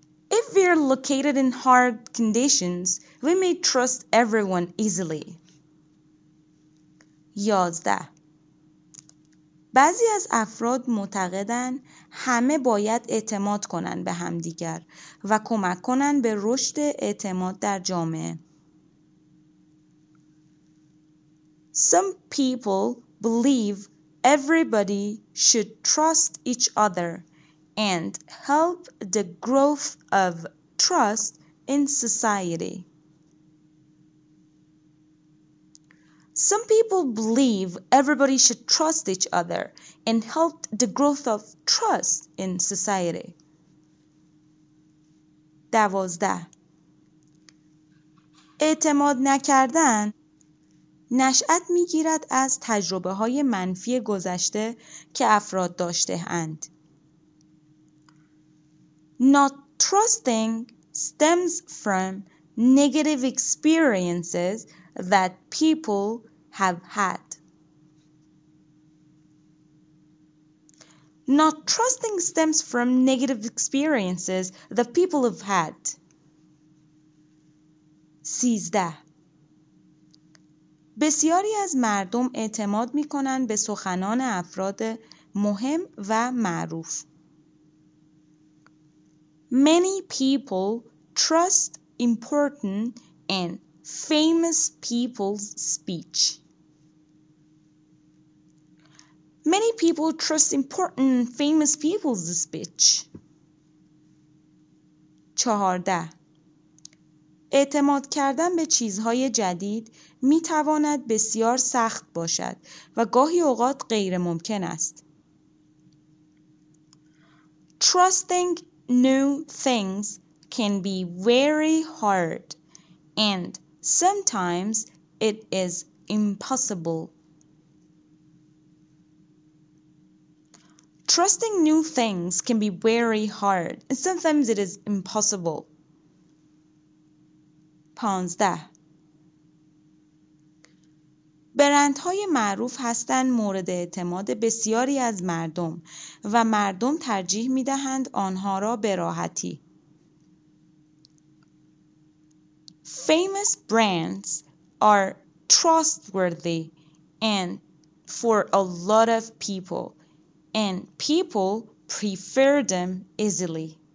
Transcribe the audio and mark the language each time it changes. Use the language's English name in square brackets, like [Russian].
[English] If we are located in hard conditions, we may trust everyone easily. 11. [Persian] بعضی از افراد معتقدند همه باید اعتماد کنند به همدیگر و کمک کنند به رشد اعتماد در جامعه. [English] Some people believe everybody should trust each other and help the growth of trust in society. Some people believe everybody should trust each other and help the growth of trust in society. 12. [Persian] اعتماد نکردن نشأت می‌گیرد از تجربه‌های منفی گذشته که افراد داشته‌اند. [English] Not trusting stems from negative experiences that people have had. Not trusting stems from negative experiences that people have had. 13. [Persian] بسیاری از مردم اعتماد می‌کنند به سخنان افراد مهم و معروف. [English] Many people trust important and famous people's speech. Many people trust important and famous people's speech. 14. [Persian] اعتماد کردن به چیزهای جدید می تواند بسیار سخت باشد و گاهی اوقات غیر ممکن است. [English] Trusting new things can be very hard and sometimes it is impossible. Trusting new things can be very hard and sometimes it is impossible. 15. [Persian] برندهای معروف هستند مورد اعتماد بسیاری از مردم و مردم ترجیح می‌دهند آنها را به راحتی. [English] Famous brands are trustworthy and for a lot of people and people prefer them easily.